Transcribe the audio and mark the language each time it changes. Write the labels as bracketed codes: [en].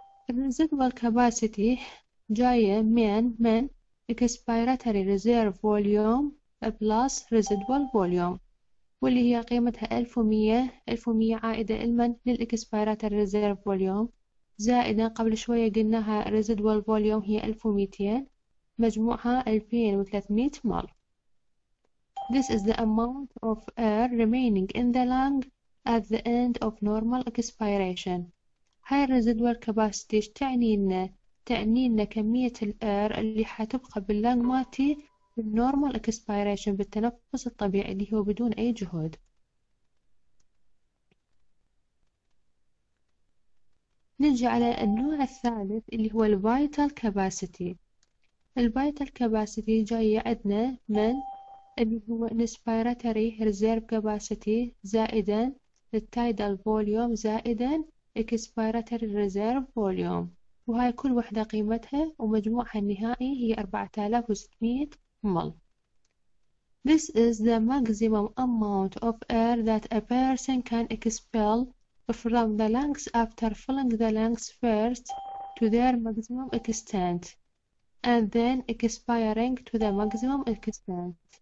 [ar] الريزيدوال كاباسيتي جاية من اكسبيراتوري ريزيرف فوليوم بلس ريزيدوال فوليوم، واللي هي قيمتها 1100، 1100 عائدة لمن؟ للاكسبيراتوري ريزيرف فوليوم، زائدا قبل شوية قلناها ريزيدوال فوليوم هي 1200، مجموعها 2300 مل. [en] This is the amount of air remaining in the lung at the end of normal expiration. [ar] هاي الـ residual capacity ايش تعني لنا؟ تعني لنا كمية الـ air اللي حتبقى باللنج مالتي بالـ normal expiration، بالتنفس الطبيعي اللي هو بدون أي جهد. نجي على النوع الثالث اللي هو الـ vital capacity. الـ vital capacity جاية عندنا من اللي هو inspiratory reserve capacity زائداً الـ tidal volume زائداً expiratory reserve volume، وهاي كل وحدة قيمتها ومجموعها النهائي هي 4600 مل. [en] This is the maximum amount of air that a person can expel from the lungs after filling the lungs first to their maximum extent and then expiring to the maximum extent.